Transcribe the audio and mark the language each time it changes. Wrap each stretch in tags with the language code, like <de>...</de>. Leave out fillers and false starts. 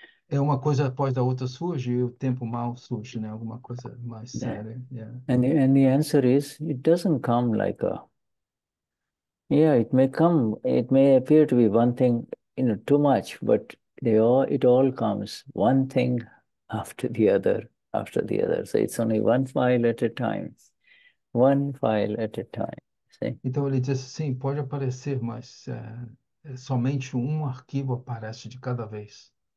<pt>É uma coisa após a outra surge, e o tempo mau surge, né? Alguma coisa mais séria.</pt> <en>And the answer is, it doesn't come like a, yeah, it may appear to be one thing, you know, too much, but it all comes one thing after the other, after the other. So it's only one file at a time, one file at a time.</en> <pt>Então ele disse assim, pode aparecer, mas somente um arquivo aparece de cada vez.</pt>